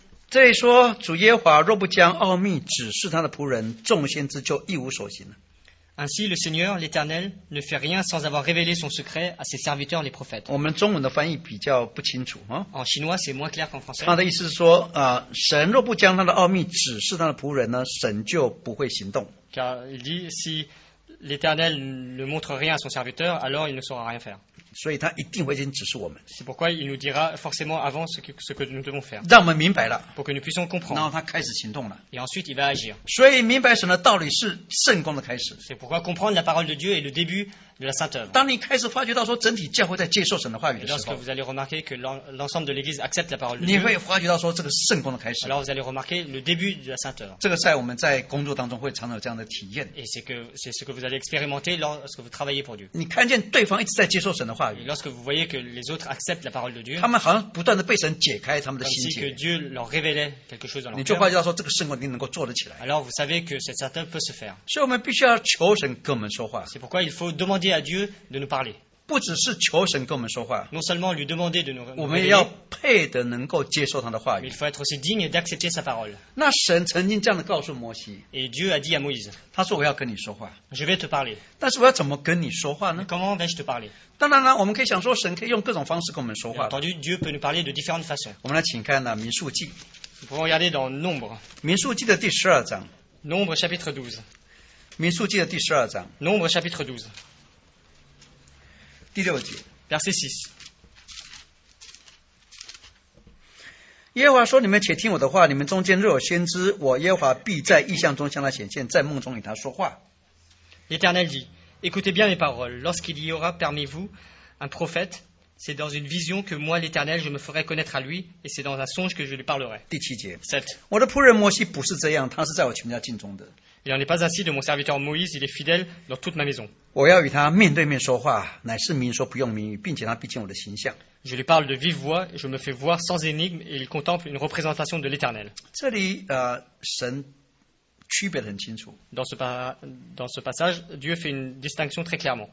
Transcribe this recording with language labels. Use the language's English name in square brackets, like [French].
[Chinese] 这里说主耶和华若不将奥秘指示他的仆人众先知，就一无所行了。 [French] Ainsi le Seigneur, l'Éternel, ne fait rien sans avoir révélé son secret à ses serviteurs, les prophètes. [Chinese] 我们中文的翻译比较不清楚啊。 [French] En chinois, c'est moins clair qu'en français. [Chinese] 他的意思是说啊，神若不将他的奥秘指示他的仆人呢，神就不会行动。 [French] Car il dit si l'Éternel ne montre rien à son serviteur, alors il ne saura rien faire. [Chinese] 所以他一定会先指示我们。 [French] C'est pourquoi il nous dira forcément avant ce que nous devons faire. [Chinese] 让我们明白了。 [French] Pour que nous puissions comprendre. [Chinese] 然后他开始行动了。 [French] Et ensuite il va agir. [Chinese] 所以明白神的道理是圣工的开始。 [French] C'est pourquoi comprendre la parole de Dieu est le début de la sainte œuvre. [Chinese] 当你开始发觉到说整体教会在接受神的话语的时候。 [French] Lorsque vous allez remarquer que l'ensemble de l'Église accepte la parole de Dieu. [Chinese] 你会发觉到说这个圣工的开始。 [French] Alors vous allez remarquer le début de la sainte œuvre. [Chinese] 这个在我们在工作当中会常常有这样的体验。 [French] Et c'est ce que vous allez expérimenter lorsque vous travaillez pour Dieu. [Chinese] 你看见对方一直在接受神的话。 [French] Et lorsque vous voyez que les autres acceptent la parole de Dieu, [Chinese] 他们好像不断地被神解开他们的心结。 [French] Comme si que Dieu leur révélait quelque chose dans leur cœur. [Chinese] 你就发觉到说这个圣工一定能够做得起来。 [French] Alors vous savez que cette sainte œuvre peut se faire. [Chinese] 所以我们必须要求神跟我们说话。 [French] C'est pourquoi il faut demander à Dieu de nous parler. [Chinese] 不只是求神跟我们说话。 [French] Non seulement lui demander de nous révéler. [Chinese] 我们要配得能够接受他的话语。 [French] Mais il faut être aussi digne d'accepter sa parole. [Chinese] 那神曾经这样的告诉摩西。 [French] Et Dieu a dit à Moïse. [Chinese] 他说我要跟你说话。 [French] Je vais te parler. [Chinese] 但是我要怎么跟你说话呢？ [French] Comment vais-je te parler? [Chinese] 当然了，我们可以想说，神可以用各种方式跟我们说话。 [French] Entendu, Dieu peut nous parler de différentes façons. [Chinese] 我们来请看呢，《民数记》。 [French] Nous pouvons regarder dans Nombre. [Chinese] 民数记的第十二章。 [French] Nombre chapitre 12. [Chinese] 民数记的第十二章。 [French] Nombre chapitre 12. [Chinese] 第六节。 [French] Verset 6. [Chinese] 耶和华说：“你们且听我的话，你们中间若有先知，我耶和华必在异象中向他显现，在梦中与他说话。” [French] L'Éternel dit. Écoutez bien mes paroles. Lorsqu'il y aura parmi vous un prophète, c'est dans une vision que moi, l'Éternel, je me ferai connaître à lui, et c'est dans un songe que je lui parlerai. [Chinese] 第七节。 [French] Sept. [Chinese] 我的仆人摩西不是这样，他是在我全家境中的。 [French] Il n'en est pas ainsi de mon serviteur Moïse. Il est fidèle dans toute ma maison. [Chinese] 我要与他面对面说话，乃是明说不用明语，并且他必见我的形象。 [French] Je lui parle de vive voix, je me fais voir sans énigme, et il contemple une représentation de l'Éternel. [Chinese] 这里，神。区别很清楚。 [French] Dans ce passage, Dieu fait une distinction très clairement.